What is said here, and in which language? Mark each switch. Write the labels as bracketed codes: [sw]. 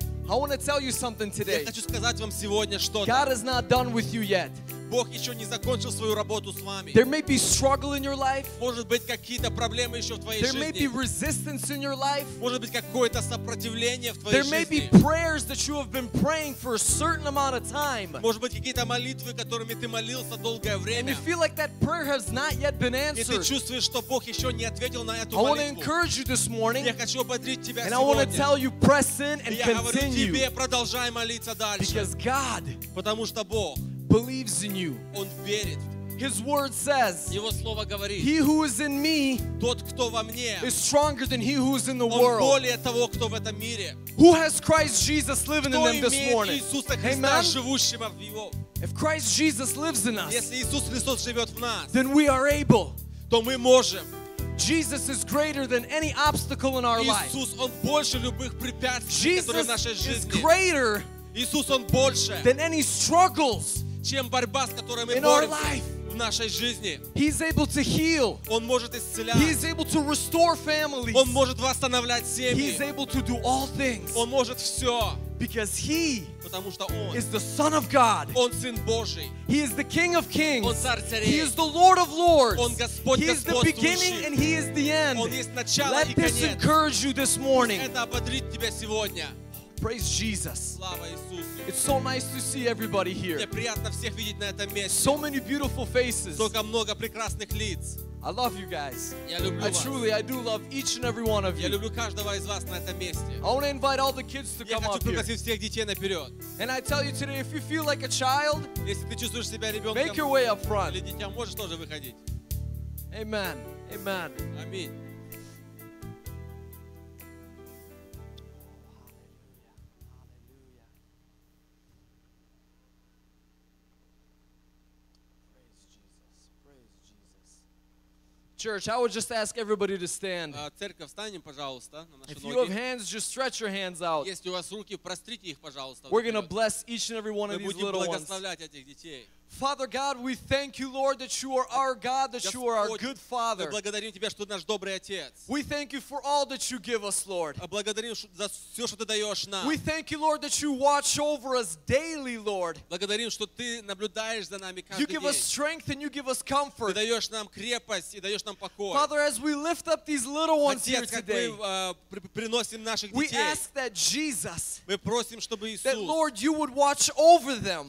[en] I want to tell you something today. God is not done with you yet. [ru] Бог еще не закончил свою работу с вами. [en] There may be struggle in your life. [ru] Может быть какие-то проблемы еще в твоей жизни. [en] There may be resistance in your life. [ru] Может быть какое-то сопротивление в твоей жизни. [en] There may be prayers that you have been praying for a certain amount of time. [ru] Может быть какие-то молитвы, которыми ты молился долгое время. [en] And you feel like that prayer has not yet been answered. [ru] И ты чувствуешь, что Бог еще не ответил на эту молитву. [en] I want to encourage you this morning. [ru] Я хочу ободрить тебя сегодня. [en] And I want to tell you, press in and continue. [ru] Я говорю тебе, продолжай молиться дальше. [en] Because God. [ru] Потому что Бог. [en] Believes in you. [ru] Он верит. [en] His word says, [ru] Его слово говорит, [en] He who is in me [ru] тот, кто во мне, [en] is stronger than he who is in the [ru] он [en] world. [ru] Более того, кто в этом мире. [en] Who has Christ Jesus living [ru] кто [en] in them this morning? [ru] Иисуса Христа, [en] Amen? [ru] Живущим в его. [en] If Christ Jesus lives in us, [ru] если Иисус Христос живет в нас, [en] then we are able. [ru] То мы можем. [en] Jesus is greater than any obstacle in our life. [ru] Иисус, он больше любых препятствий, [en] Jesus [ru] которые в нашей жизни. [en] Is greater [ru] Иисус, он больше. [en] Than any struggles. [ru] Чем борьба, с которой мы [en] in [ru] боремся в нашей жизни. [en] He's able to heal. [ru] Он может исцелять. [en] He's able to restore families. [ru] Он может восстанавливать семьи. [en] He's able to do all things. [ru] Он может все. [en] Because he [ru] потому что Он [en] is the Son of God. [ru] Он Сын Божий. [en] He is the King of Kings. [ru] Он Царь Царей. [en] He is the Lord of Lords. [ru] Он Господь Господь. [en] He is the beginning and He is the end. [ru] Он есть начало [en] Let [ru] и конец. [en] Let this encourage you this morning. [ru] Это ободрит тебя сегодня. [en] Praise Jesus. It's so nice to see everybody here. [ru] Мне приятно всех видеть на этом месте. [en] So many beautiful faces. [ru] Столько много прекрасных лиц. [en] I love you guys. [ru] Я люблю вас. [en] I truly, I do love each and every one of you. [ru] Я люблю каждого из вас на этом месте. [en] I want to invite all the kids to come up here. [ru] Я хочу пригласить всех детей наперед. [en] And I tell you today, if you feel like a child, [ru] если ты чувствуешь себя ребенком, [en] make your way up front. [ru] Или дитя, можешь тоже выходить. [en] Amen. Amen. [ru] Аминь. [en] Church, I would just ask everybody to stand. [ru] Церковь, встанем, пожалуйста, на наши [en] If you have hands, just stretch your hands out. [ru] Если у вас руки, прострите их, пожалуйста. [en] We're going to bless each and every one of these little ones. [ru] Мы будем благословлять этих детей. [en] Father God, we thank you, Lord, that you are our God, that you are our good Father. [ru] Мы благодарим тебя, что наш добрый отец. [en] We thank you for all that you give us, Lord. [ru] Благодарим за все, что ты даешь нам. [en] We thank you, Lord, that you watch over us daily, Lord. [ru] Благодарим, что ты наблюдаешь за нами каждый день. [en] You give us strength and you give us comfort. [ru] Ты даешь нам крепость и даешь нам покой. [en] Father, as we lift up these little ones here today, [ru] приносим наших детей. [en] We ask that Jesus. [ru] Мы просим, чтобы Иисус. [en] That Lord, you would watch over them.